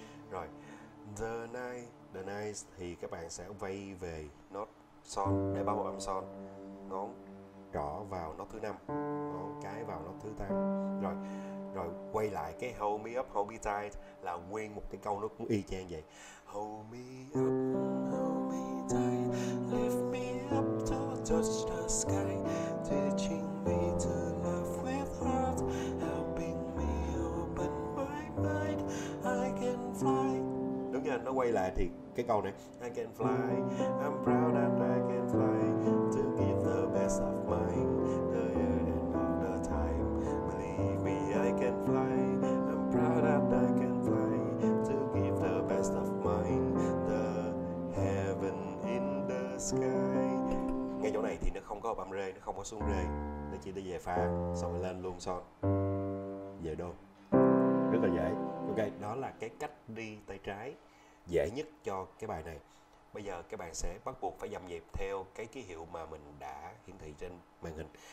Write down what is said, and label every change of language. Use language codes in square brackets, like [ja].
[vi] Rồi, [en] the night, the night [vi] thì các bạn sẽ vây về nốt son, để bao âm son, ngón trỏ vào nốt thứ năm, ngón cái vào nốt thứ tám. Rồi, rồi quay lại cái [en] hold me up, hold me tight [vi] là nguyên một cái câu nó cũng y chang vậy. [en] Hold me up, hold me tight, lift me up to touch the sky, teaching me to love with heart, helping me open my mind, I can fly. [vi] Đúng rồi, nó quay lại thì cái câu này, [en] I can fly, I'm proud that I can fly, to give the best of mine, the year and all the time, believe me I can fly, I'm proud that I can fly, to give the best of mine, the heaven in the sky. [vi] Ngay chỗ này thì nó không có âm rê, nó không có xuống rê, nó chỉ để về pha, xong rồi lên luôn son, về đô, rất là dễ. Ok, đó là cái cách đi tay trái dễ nhất cho cái bài này. Bây giờ các bạn sẽ bắt buộc phải dậm nhịp theo cái ký hiệu mà mình đã hiển thị trên màn hình.